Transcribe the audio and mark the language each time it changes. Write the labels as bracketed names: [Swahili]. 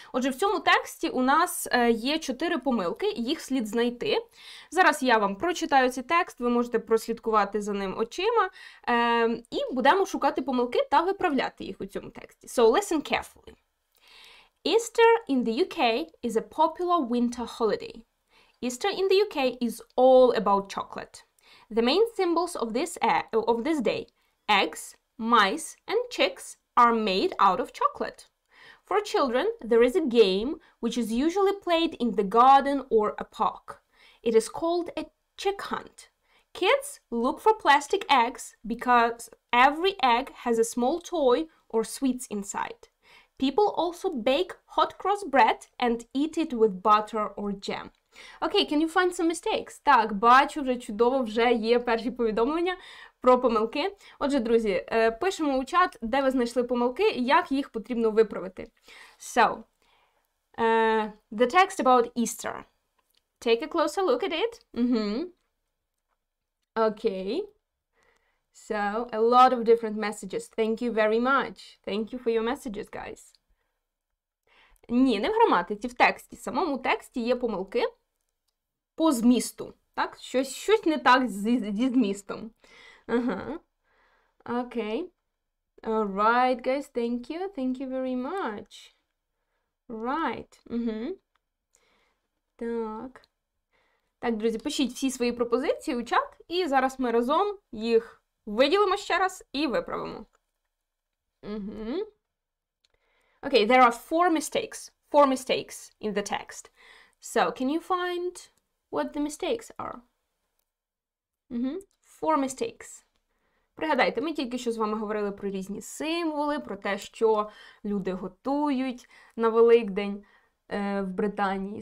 [Ukrainian] Отже, в цьому тексті у нас є 4 помилки, їх слід знайти. Зараз я вам прочитаю цей текст, ви можете прослідкувати за ним очима, і будемо шукати помилки та виправляти їх у цьому тексті. [English] So listen carefully. Easter in the UK is a popular winter holiday. Easter in the UK is all about chocolate. The main symbols of this day, eggs, mice, and chicks are made out of chocolate. For children, there is a game which is usually played in the garden or a park. It is called a chick hunt. Kids look for plastic eggs because every egg has a small toy or sweets inside. People also bake hot cross bread and eat it with butter or jam. [Ukrainian] Окей, [English] okay, can you find some mistakes? [Ukrainian] Так, бачу, вже чудово, вже є перші повідомлення про помилки. Отже, друзі, пишемо у чат, де ви знайшли помилки, як їх потрібно виправити. [English] So, The text about Easter. Take a closer look at it. Okay. So, a lot of different messages. Thank you very much. Thank you for your messages, guys. [Ukrainian] Ні, не в граматиці, в тексті. В самому тексті є помилки по змісту. Так? Щось не так зі змістом. [English] Okay. All right, guys. Thank you. Thank you very much. Right. [Ukrainian] Так. Так, друзі, пишіть всі свої пропозиції у чат, і зараз ми разом їх виділимо ще раз і виправимо. [English] Okay, there are four mistakes in the text. So, can you find what the mistakes are? Four mistakes. [Ukrainian] Пригадайте, ми тільки що з вами говорили про різні символи, про те, що люди готують на Великдень в Британії.